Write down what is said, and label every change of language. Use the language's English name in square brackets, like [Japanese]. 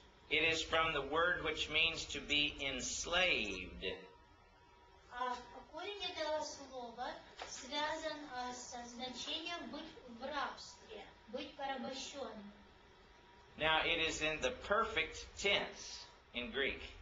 [English] It is from the word which means to be enslaved. [Russian] А корень этого слова связан со значением быть в рабстве, быть порабощенным. [English] Now it is in the perfect tense in Greek.